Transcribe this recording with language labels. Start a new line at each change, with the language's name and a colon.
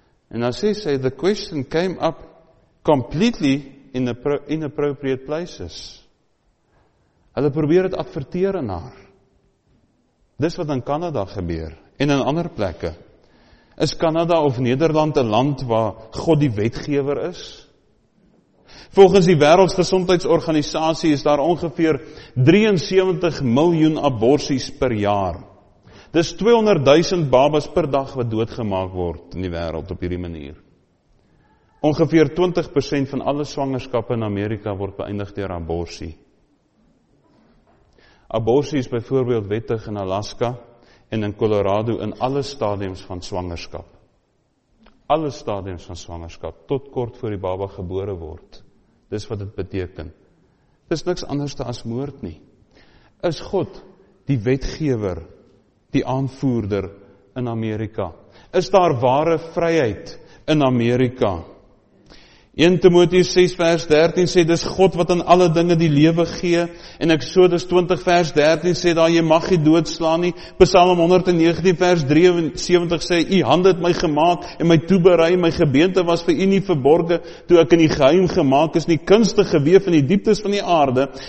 English: And as she said, the question came up completely in inappropriate places.
Afrikaans: Hulle probeer het adverteer in haar. Dis wat in Canada gebeur, en in ander plekke. Is Canada of Nederland een land waar God die wetgever is? Volgens die Wereldgesondheidsorganisatie is daar ongeveer 73 miljoen aborties per jaar. Dis 200.000 babas per dag wat doodgemaak word in die wereld op hierdie manier. Ongeveer 20% van alle swangerskappe in Amerika word beëindig deur abortie. Abortie is byvoorbeeld wettig in Alaska en in Colorado in alle stadiums van swangerskap. Alle stadiums van swangerskap, tot kort voor die baba gebore word. Dis wat dit beteken. Dis niks anders as moord nie. Is God die wetgewer, die aanvoerder in Amerika? Is daar ware vryheid in Amerika? 1 Timoteus 6 vers 13 sê, dis God wat aan alle dinge die lewe gee, en Exodus 20 vers 13 sê, daar jy mag nie doodslaan nie, Psalm 119 vers 73 sê, u hand het my gemaak, en my toeberei, my gebeente was vir u nie verborge, toe ek in die geheim gemaak is, nie kunstig geweef in die dieptes van die aarde,